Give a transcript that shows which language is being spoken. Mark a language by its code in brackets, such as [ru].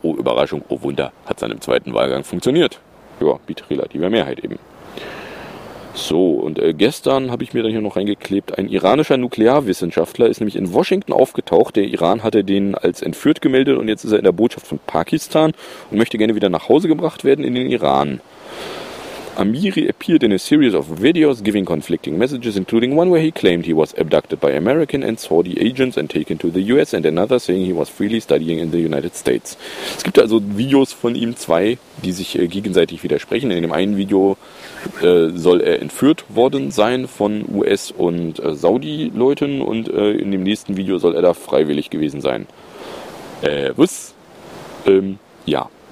[de] Oh Überraschung, oh Wunder, hat es dann im zweiten Wahlgang funktioniert. Ja, mit relativer Mehrheit eben. So, und gestern habe ich mir dann hier noch reingeklebt, ein iranischer Nuklearwissenschaftler ist nämlich in Washington aufgetaucht, der Iran hatte den als entführt gemeldet und jetzt ist er in der Botschaft von Pakistan und möchte gerne wieder nach Hause gebracht werden in den Iran. [en] Amiri appeared in a series of videos giving conflicting messages, including one where he claimed he was abducted by American and Saudi agents and taken to the US and another saying he was freely studying in the United States. [de] Es gibt also Videos von ihm, zwei, die sich gegenseitig widersprechen. In dem einen Video soll er entführt worden sein von US- und Saudi-Leuten und in dem nächsten Video soll er da freiwillig gewesen sein. Was? Ja.